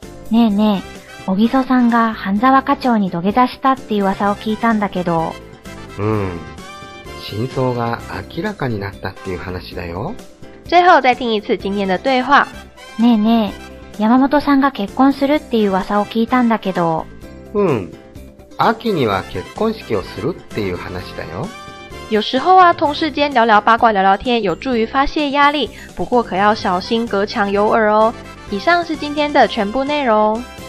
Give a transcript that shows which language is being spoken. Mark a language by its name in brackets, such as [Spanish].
[Japanese] ねえねえ、小木曽さんが半沢課長に土下座したっていう噂を聞いたんだけど。うん、真相が明らかになったっていう話だよ。 [Chinese] 最後再听一次今天的对话。 [Japanese] ねえねえ、山本さんが結婚するっていう噂を聞いたんだけど。うん、秋には結婚式をするっていう話だよ。 [Chinese] 有时候啊，同事间聊聊八卦、聊聊天，有助于发泄压力。不过可要小心隔墙有耳哦。以上是今天的全部内容。